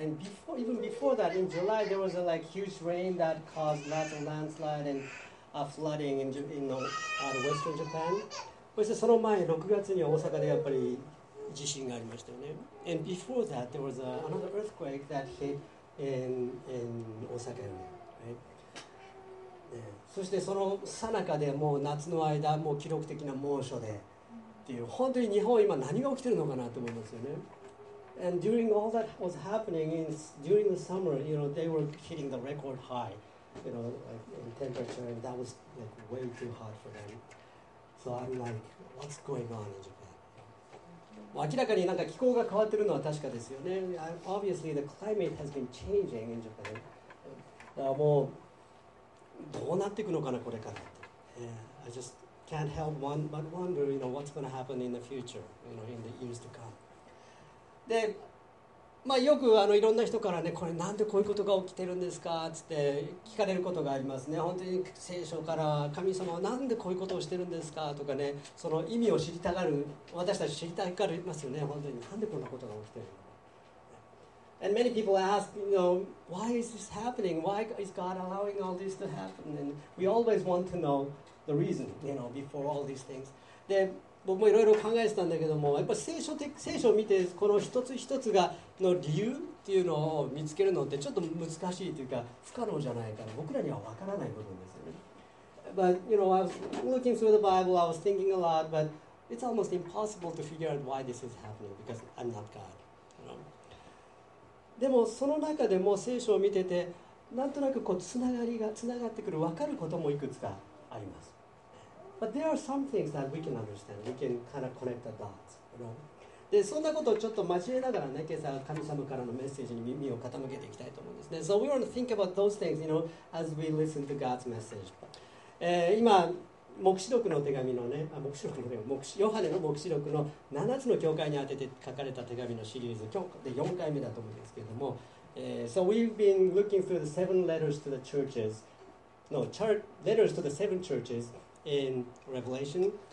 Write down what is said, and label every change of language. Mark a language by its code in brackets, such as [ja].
[en] And before, even before that, in July, there was a like, huge rain that caused lots of landslide and a flooding in the western Japan. [ja] そしてその前、6月に大阪でやっぱり地震がありましたよね。 [en] And before that, there was another earthquake that hit in [ja] 大阪よね。 [en] Right? [ja] そしてその最中でもう夏の間、もう記録的な猛暑で、っていう本当に日本は今何が起きているのかなと思いますよね。 [en] And during all that was happening in during the summer, you know, they were hitting the record high, you know, like, in temperature, and that was like way too hot for them. So I'm like, what's going on in Japan? [ja] 明らかになんか気候が変わっているのは確かですよね。 [en] Obviously, the climate has been changing in Japan. [ja] もうどうなっていくのかなこれからって。 [en] I just can't help one but wonder, you know, what's going to happen in the future, you know, in the years to come. [ja] で、まあよくあのいろんな人からね、これなんでこういうことが起きてるんですかつって聞かれることがありますね。本当に聖書から神様はなんでこういうことをしてるんですかとかね、その意味を知りたがる、私たち知りたがりますよね。本当になんでこんなことが起きてるの。 [en] And many people ask, you know, why is this happening? Why is God allowing all this to happen? And we always want to knowThe reason, you know, before all these things. [ja] で、僕もいろいろ考えてたんだけども、やっぱ聖書を見てこの一つ一つがの理由っていうのを見つけるのってちょっと難しいというか不可能じゃないから、僕らにはわからない部分ですよね。 [en] But you know, I was looking through the Bible, I was thinking a lot, but it's almost impossible to figure out why this is happening because I'm not God. You know? [ja] でもその中でも聖書を見てて、なんとなくこうつながってくる、分かることもいくつかあります。 [en] But there are some things that we can understand. We can kind of connect the dots. You know? [ja] で、そんなことをちょっと交えながらね、今朝神様からのメッセージに耳を傾けていきたいと思うんですね。 [en] So we want to think about those things, you know, as we listen to God's message. [ja] 今、黙示録の手紙のね、黙示録の手紙、ヨハネの黙示録の7つの教会に当てて書かれた手紙のシリーズ、今日で4回目だと思うんですけれども、 [en] So we've been looking through the seven letters to the churches, no, letters to the seven churches in Revelation.